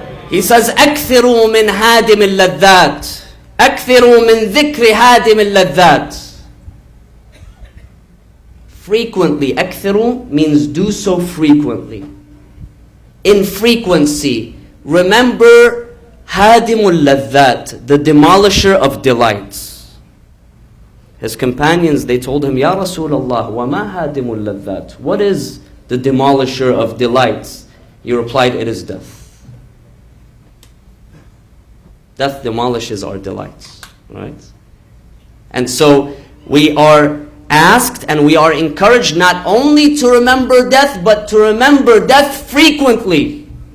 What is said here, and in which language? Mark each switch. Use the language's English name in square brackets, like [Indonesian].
[English] He says, [Arabic] أَكْثِرُوا مِنْ هَادِمِ اللَّذَّاتِ أَكْثِرُوا مِنْ ذِكْرِ هَادِمِ اللَّذَّاتِ. [English] Frequently, أكثروا means do so frequently. In frequency, remember هادم اللذات, the demolisher of delights. His companions, they told him, [Arabic] يا رسول الله, وما هادم اللذات? [English] What is the demolisher of delights? He replied, it is death. Death demolishes our delights, right? And so we are asked and we are encouraged not only to remember death, but to remember death frequently.